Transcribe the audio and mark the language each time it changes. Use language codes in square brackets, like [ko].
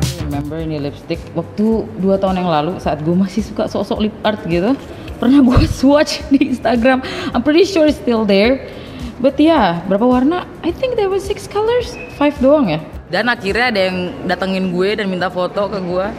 [id] Remember ini lipstick waktu 2 tahun yang lalu saat gue masih suka sok-sok lip art gitu. Pernah gue swatch di Instagram. [en] I'm pretty sure it's still there. But yeah, [id] berapa warna? [en] I think there were 6 colors. [id] 5 doang ya. Dan akhirnya ada yang datengin gue dan minta foto ke gue.